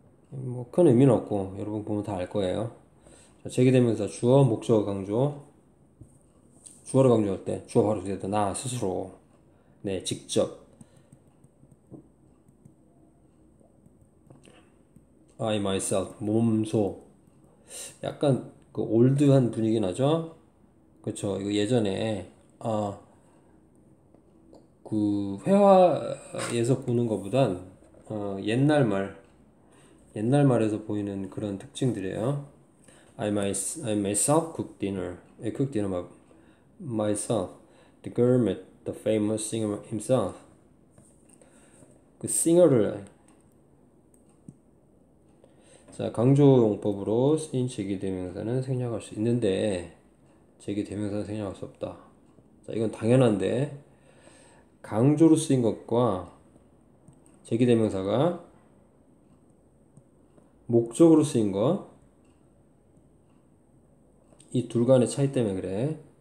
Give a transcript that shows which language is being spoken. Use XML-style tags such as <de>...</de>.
<ko>뭐큰 의미는 없고 여러분 보면 다알 거예요. 제기되면서 주어 목적어 강조 주어를 강조할 때 주어 바로 뒤에다 나 스스로 네 직접</ko> <en>I myself</en> <ko>몸소 약간 그 올드한 분위기 나죠? 그렇죠. 이거 예전에 아그 회화에서 보는 것보단 옛날 말 옛날 말에서 보이는 그런 특징들이에요.</ko> <en>I myself cooked dinner. I cooked dinner myself. The girl met the famous singer himself.</en> <ko>그 singer를 자 강조 용법으로 쓰인 제기대명사는 생략할 수 있는데 제기대명사는 생략할 수 없다. 자 이건 당연한데 강조로 쓰인 것과 제기대명사가 목적으로 쓰인 것, 이둘 간의 차이 때문에 그래.</ko>